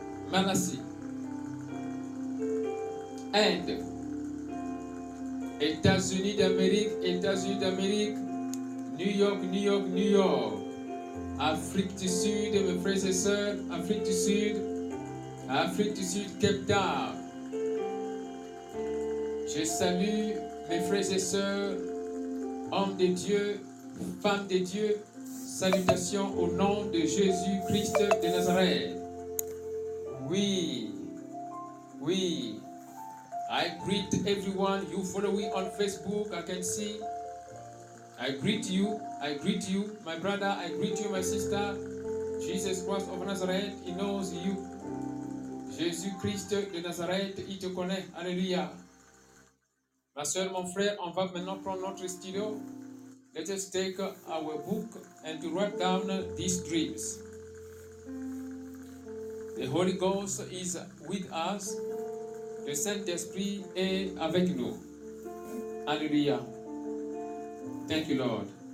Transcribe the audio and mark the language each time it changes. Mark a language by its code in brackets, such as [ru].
[fr] Malaisie, Inde, États-Unis d'Amérique, New York, Afrique du Sud, mes frères et sœurs, Afrique du Sud, Cape Town. Je salue mes frères et sœurs, hommes de Dieu, femmes de Dieu, salutations au nom de Jésus-Christ de Nazareth. Oui, oui. [en] I greet everyone you following on Facebook, I can see. I greet you, my brother, I greet you, my sister. Jesus Christ of Nazareth, he knows you. [fr] Jésus Christ de Nazareth, il te connaît, alléluia. Ma soeur, mon frère, on va maintenant prendre notre stylo. [en] Let us take our book and to write down these dreams. The Holy Ghost is with us. [fr] Le Saint-Esprit est avec nous. [en] Alléluia. Thank you, Lord.